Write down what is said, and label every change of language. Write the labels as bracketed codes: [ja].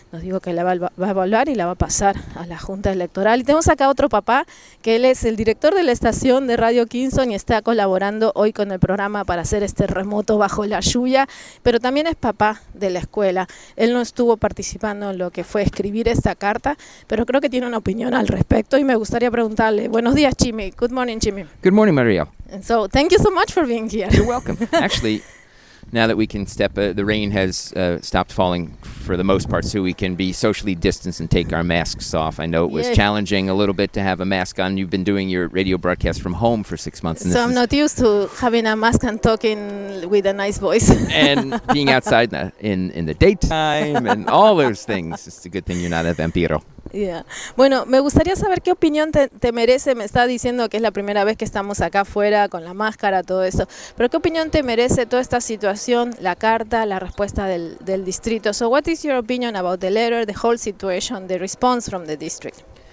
[es] Nos dijo que la va a evaluar y la va a pasar a la Junta Electoral. Y tenemos acá otro papá, que él es el director de la estación de Radio Kingston y está colaborando hoy con el programa para hacer este remoto bajo la lluvia, pero también es papá de la escuela. Él no estuvo participando en lo que fue escribir esta carta, pero creo que tiene una opinión al respecto y me gustaría preguntarle. Buenos días, Jimmy. [en] Good morning, Jimmy. Good morning, Maria. And so, thank you so much for being here. You're welcome. Actually, now that we can step, the rain has stopped falling for the most part, so we can be socially distanced and take our masks off. I know it was challenging a little bit to have a mask on. You've been doing your radio broadcast from home for 6 months. And so I'm not used to having a mask and talking with a nice voice. And being outside in the daytime and all those things. It's a good thing you're not a vampiro. Yeah. [es] Bueno, me gustaría saber qué opinión te merece. Me está diciendo que es la primera vez que estamos acá afuera con la máscara, todo eso. Pero qué opinión te merece toda esta situación, la carta, la respuesta del distrito. [en] So what is your opinion about the letter, the whole situation, the response from the district?